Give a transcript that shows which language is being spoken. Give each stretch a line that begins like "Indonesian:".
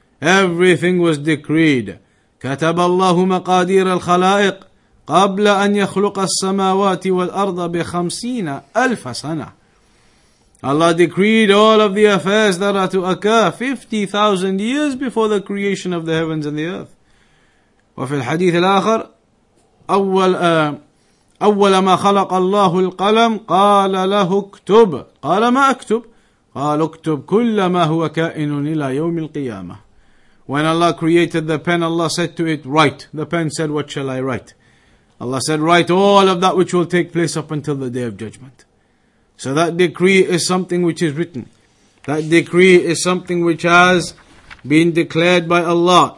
English: Everything was decreed.
Arabic: كَتَبَ اللَّهُ مَقَادِيرَ الْخَلَائِقِ قَبْلَ أَنْ يَخْلُقَ السَّمَاوَاتِ وَالْأَرْضَ بِخَمْسِينَ أَلْفَ سَنَةٍ.
English: Allah decreed all of the affairs that are to occur 50,000 years before the creation of the heavens and the earth.
Arabic: وَفِي الْحَدِيثِ الْآخَرِ أول ما خلق الله القلم قال له اكتب قال ما اكتب قال اكتب كل ما هو كائن إلى يوم القيامة.
English: When Allah created the pen, Allah said to it, write. The pen said, what shall I write? Allah said, write all of that which will take place up until the day of judgment. So that decree is something which is written. That decree is something which has been declared by Allah.